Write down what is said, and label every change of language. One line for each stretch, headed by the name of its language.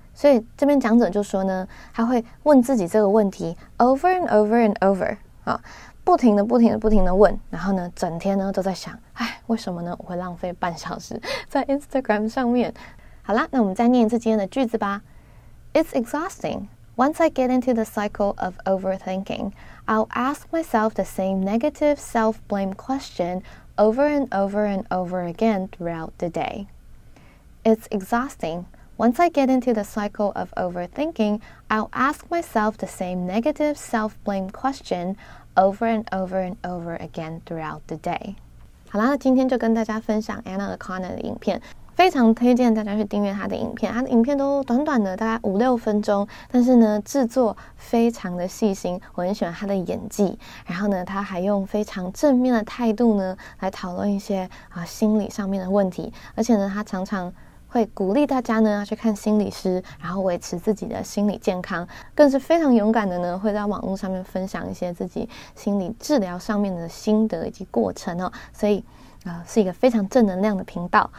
Chinese: 所以这边讲者就说呢，他会问自己这个问题
English: over and over and over、
Chinese: 哦、不停的不停的不停的问，然后呢整天呢都在想，哎，为什么呢我会浪费半小时在 Instagram 上面。好啦，那我们再念一次今天的句子吧。
English: It's exhausting. Once I get into the cycle of overthinkingI'll ask myself the same negative self-blame question over and over and over again throughout the day. It's exhausting. Once I get into the cycle of overthinking, I'll ask myself the same negative self-blame question over and over and over again throughout the day.
Chinese: 好啦，那今天就跟大家分享 Anna O'Connor 的影片。非常推荐大家去订阅他的影片，他的影片都短短的大概五六分钟，但是呢制作非常的细心，我很喜欢他的演技，然后呢他还用非常正面的态度呢来讨论一些心理上面的问题，而且呢他常常会鼓励大家呢要去看心理师，然后维持自己的心理健康，更是非常勇敢的呢会在网络上面分享一些自己心理治疗上面的心得以及过程哦，所以是一个非常正能量的频道。